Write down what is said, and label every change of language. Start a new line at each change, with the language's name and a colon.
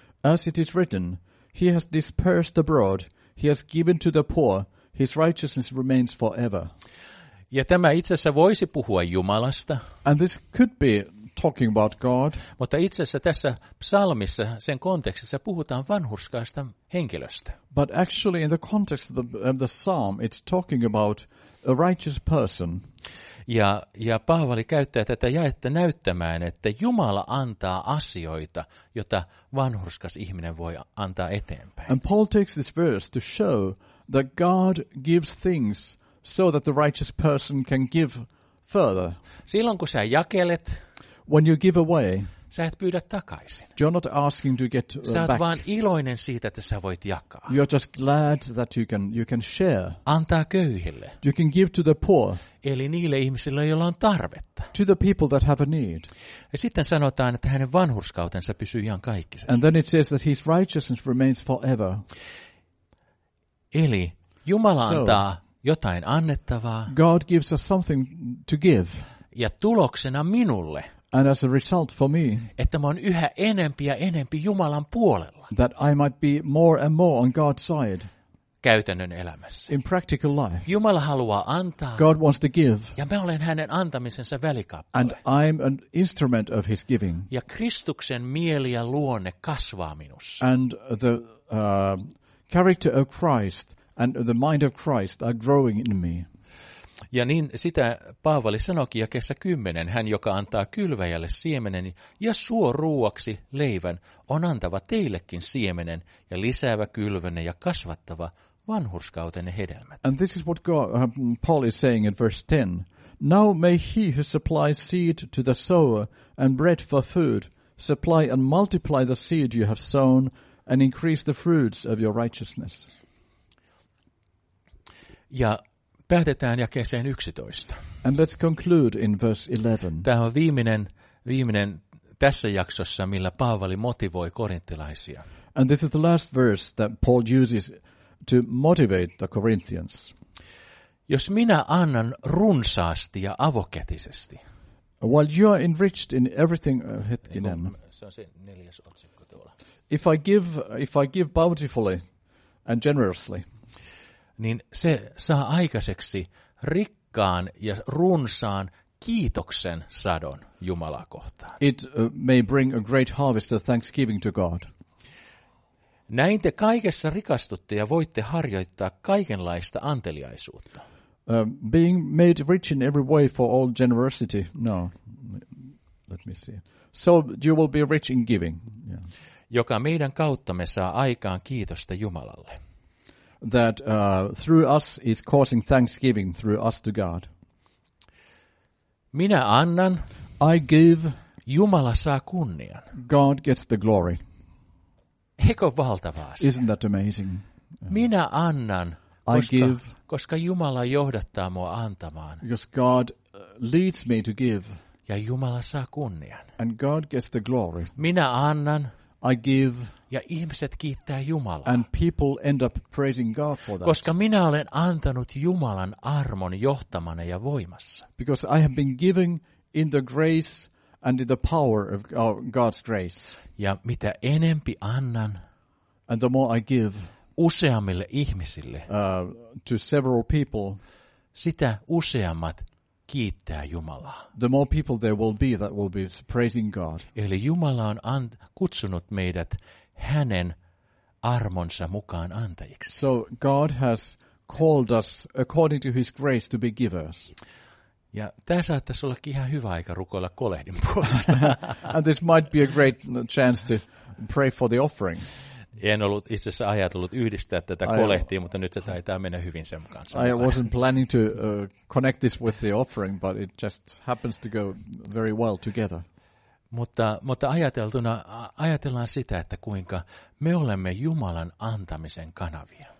English: As it is written, he has dispersed abroad, he has given to the poor, his righteousness remains forever.
Finnish: Ja tämä itse asiassa voisi puhua Jumalasta.
English: And this could be talking about God.
Finnish: Mutta itse asiassa tässä psalmissa sen kontekstissa puhutaan vanhurskaasta henkilöstä.
English: But actually in the context of the psalm it's talking about a righteous person.
Finnish: Ja Paavali käyttää tätä jaetta näyttämään, että Jumala antaa asioita, jota vanhurskas ihminen voi antaa eteenpäin.
English: And Paul takes this verse to show that God gives things so that the righteous person can give further.
Finnish: Silloin kun sä jakelet,
English: when you give away,
Finnish: sä et pyydä takaisin.
English: You're not asking to get
Finnish: sä
English: back.
Finnish: Sä oot vaan iloinen siitä, että sä voit jakaa.
English: You're just glad that you can share.
Finnish: Antaa köyhille.
English: You can give to the poor.
Finnish: Eli niille ihmisille, joilla on tarvetta.
English: To the people that have a need.
Finnish: Ja sitten sanotaan, että hänen vanhurskautensa pysyy ihan kaikkisesti.
English: And then it says that his righteousness remains forever.
Finnish: Eli Jumala antaa jotain annettavaa.
English: God gives us something to give.
Finnish: Ja tuloksena minulle.
English: And as a result for me,
Finnish: että mä oon yhä enempi ja enempi Jumalan puolella.
English: That I might be more and more on God's side.
Finnish: Käytännön elämässä.
English: In practical life.
Finnish: Jumala haluaa antaa.
English: God wants to give.
Finnish: Ja mä olen hänen antamisensa välikappale.
English: And I'm an instrument of his giving.
Finnish: Ja Kristuksen mieli ja luonne kasvaa minussa.
English: And the character of Christ and the mind of Christ are growing in me.
Finnish: Ja niin sitä Paavali sanoikin jakeessa 10, hän joka antaa kylväjälle siemenen ja suo ruuaksi leivän, on antava teillekin siemenen ja lisäävä kylvenne ja kasvattava vanhurskautenne hedelmät.
English: And this is what God, Paul is saying in verse 10. Now may he who supplies seed to the sower and bread for food supply and multiply the seed you have sown and increase the fruits of your righteousness.
Finnish: Ja päätetään jakeeseen 11.
English: And let's conclude in verse 11.
Finnish: Tämä on viimeinen tässä jaksossa, millä Paavali motivoi korinttilaisia.
English: And this is the last verse that Paul uses to motivate the Corinthians.
Finnish: Jos minä annan runsaasti ja avokätisesti.
English: While you are enriched in everything,
Finnish: hetkinen. Se on se neljäs otsikko tuolla.
English: If I give bountifully and generously,
Finnish: niin se saa aikaiseksi rikkaan ja runsaan kiitoksen sadon Jumalaa kohtaan.
English: It may bring a great harvest of thanksgiving to God.
Finnish: Näin te kaikessa rikastutte ja voitte harjoittaa kaikenlaista anteliaisuutta.
English: Being made rich in every way for all generosity. No. Let me see. So you will be rich in giving. Yeah.
Finnish: Joka meidän kauttamme saa aikaan kiitosta Jumalalle.
English: That through us is causing thanksgiving through us to God.
Finnish: Minä annan.
English: I give.
Finnish: Jumala saa kunnian.
English: God gets the glory.
Finnish: Eikö valtavaa asia?
English: Isn't that amazing?
Finnish: Minä annan, koska Jumala johdattaa mua antamaan.
English: Because God leads me to give.
Finnish: Ja Jumala saa kunnian.
English: And God gets the glory.
Finnish: Minä annan.
English: I give.
Finnish: Ja ihmiset kiittää Jumalaa.
English: And people end up praising God for that.
Finnish: Koska minä olen antanut Jumalan armon johtamana ja voimassa.
English: Because I have been giving in the grace and in the power of God's grace.
Finnish: Ja mitä enempi annan,
English: and the more I give,
Finnish: useammille ihmisille,
English: to several people,
Finnish: sitä useammat kiittää Jumalaa.
English: The more people there will be that will be praising God.
Finnish: Eli Jumala on kutsunut meidät hänen armonsa mukaan antajiksi.
English: So God has called us according to his grace to be givers.
Finnish: Ja tämä saattaisi ollakin ihan hyvä aika rukoilla kolehdin puolesta.
English: And this might be a great chance to pray for the offering.
Finnish: En ollut itse asiassa ajatellut yhdistää tätä kolehtia, mutta nyt se taitaa mennä hyvin sen kanssa.
English: I wasn't planning to connect this with the offering, but it just happens to go very well together.
Finnish: Mutta ajatellaan sitä, että kuinka me olemme Jumalan antamisen kanavia.